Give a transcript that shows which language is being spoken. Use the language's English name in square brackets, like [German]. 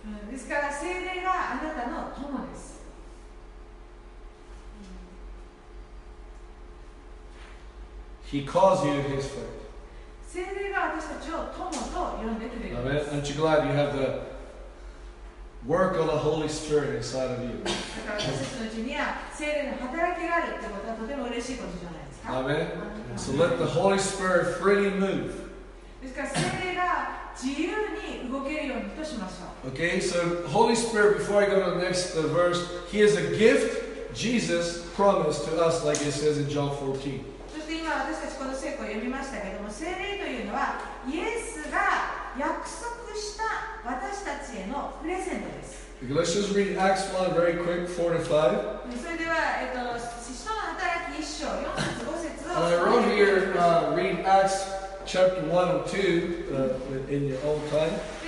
[Japanese] ですから聖霊があなたの友です。 [English] He calls you his friend. [Japanese] 聖霊が私たちを友と呼んでくれる。アメン。 [English] Aren't you glad you have the work of the Holy Spirit inside of you? [Japanese] だから私たちのうちには聖霊の働きがあるってことはとても嬉しいことじゃないですか。 [English] アメン。So let the Holy Spirit freely move. [Japanese] ですから聖霊が自由に動けるようにとしましょう。 [English] Okay, so Holy Spirit, before I go to the next verse, He is a gift Jesus promised to us, like it says in John 14. [Japanese] そして今私たちこの聖句を読みましたけれども、聖霊というのはイエスが約束した私たちへのプレゼントです。 [English] Okay, let's just read Acts 1 very quick, 4 to 5. [Japanese] それでは、使徒の働き1章、4節、5節。 [English] And I wrote here, read Acts chapter 1 and 2 in your own time.